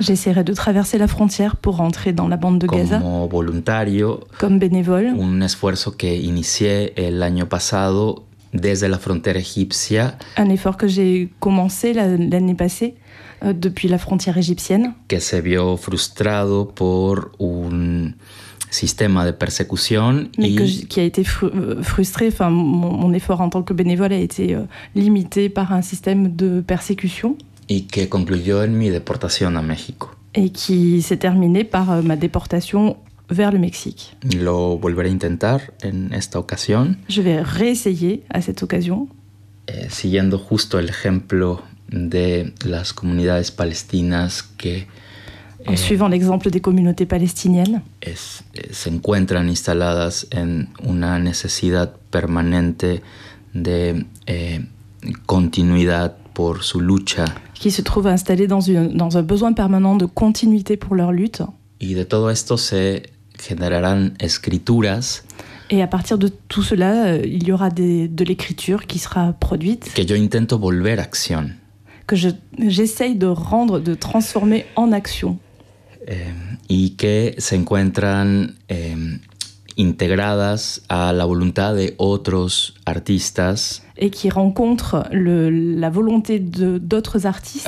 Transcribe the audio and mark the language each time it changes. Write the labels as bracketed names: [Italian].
[French] J'essaierai de traverser la frontière pour rentrer dans la bande de Gaza. [Spanish] Como voluntario. [French] Comme bénévole. [Spanish] Un esfuerzo que inicié el año pasado desde la frontera egipcia. [French] Un effort que j'ai commencé l'année passée depuis la frontière égyptienne. [Spanish] Que se vio frustrado por un sistema de persecución [French] y qui a été frustré, enfin mon effort en tant que bénévole a été limité par un système de persécution [Spanish] y que concluyó en mi deportación a México [French] et qui s'est terminé par ma déportation vers le Mexique. [Spanish] Lo volveré a intentar en esta ocasión. [French] Je vais réessayer à cette occasion. [Spanish] Siguiendo justo el ejemplo de las comunidades palestinas que [French] en suivant l'exemple des communautés palestiniennes, [Spanish] se encuentran instaladas en una necesidad permanente de continuidad por su lucha. [French] Qui se trouvent installées dans un besoin permanent de continuité pour leur lutte. [Spanish] Y de todo esto se generarán escrituras. [French] Et à partir de tout cela, il y aura de l'écriture qui sera produite. [Spanish] Que yo intento volver acción. [French] Que j'essaye de rendre, de transformer en action. [Spanish] Y que se encuentran integradas a la voluntad de otros artistas [French] et qui rencontrent la volonté de d'autres artistes,